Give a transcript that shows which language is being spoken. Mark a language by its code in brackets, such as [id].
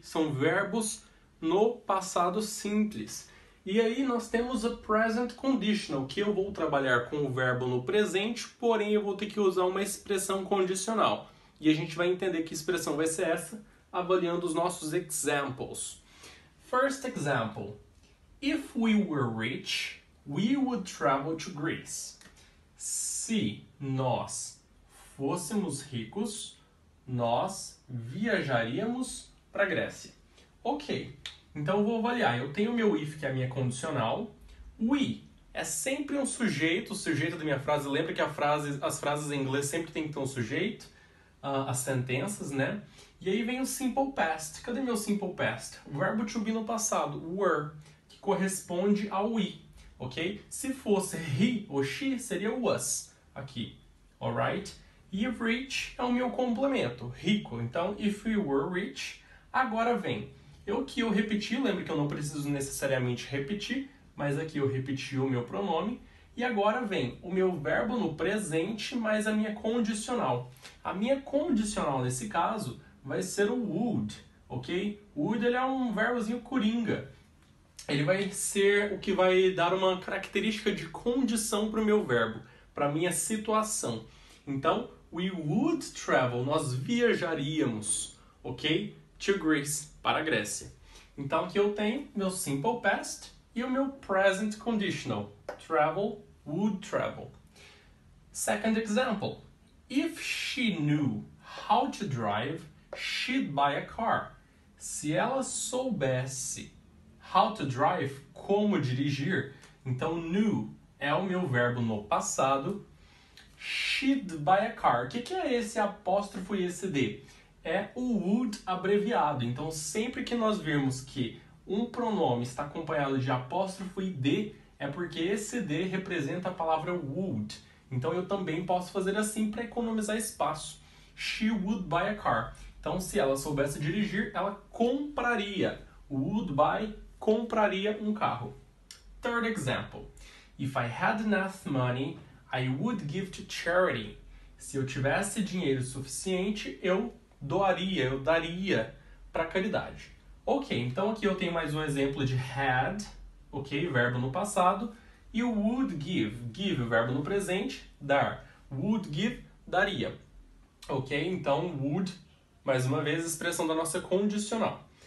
[pt] São verbos no passado simples. E aí nós temos a present conditional, que eu vou trabalhar com o verbo no presente, porém eu vou ter que usar uma expressão condicional. E a gente vai entender que expressão vai ser essa, avaliando os nossos examples. [en] First example: If we were rich, we would travel to Greece. [pt] Se nós fôssemos ricos, nós viajaríamos para a Grécia. Ok, então eu vou avaliar. Eu tenho meu if, que é a minha condicional. We é sempre um sujeito, o sujeito da minha frase. Lembra que as frases em inglês sempre tem que ter um sujeito? As sentenças, né? E aí vem o simple past. Cadê meu simple past? O verbo to be no passado, were, que corresponde ao we, ok? Se fosse he ou she, seria was aqui, alright? E rich é o meu complemento, rico. Então, [en] if we were rich, [pt] agora vem. Eu que eu repeti, lembra que eu não preciso necessariamente repetir, mas aqui eu repeti o meu pronome. E agora vem o meu verbo no presente mais a minha condicional. A minha condicional nesse caso vai ser o would, ok? Would, ele é um verbozinho coringa. Ele vai ser o que vai dar uma característica de condição para o meu verbo, para a minha situação. Então, [en] we would travel, [pt] nós viajaríamos, ok? To Greece, para a Grécia. Então, aqui eu tenho meu simple past e o meu present conditional. [en] Travel, would travel. Second example: If she knew how to drive, she'd buy a car. [pt] Se ela soubesse [en] how to drive, [pt] como dirigir, então knew é o meu verbo no passado. [en] She'd buy a car. [pt] O que é esse apóstrofo e esse de? É o would abreviado. Então, sempre que nós virmos que um pronome está acompanhado de apóstrofo e de, é porque esse de representa a palavra would. Então eu também posso fazer assim para economizar espaço. [en] She would buy a car. [pt] Então, se ela soubesse dirigir, ela compraria. Would buy, compraria um carro. [en] Third example: If I had enough money, I would give to charity. [pt] Se eu tivesse dinheiro suficiente, eu doaria, eu daria para caridade. Ok, então aqui eu tenho mais um exemplo de had. Ok, verbo no passado, e o would give, verbo no presente, dar. Would give, daria. Ok, então would, mais uma vez, expressão da nossa condicional.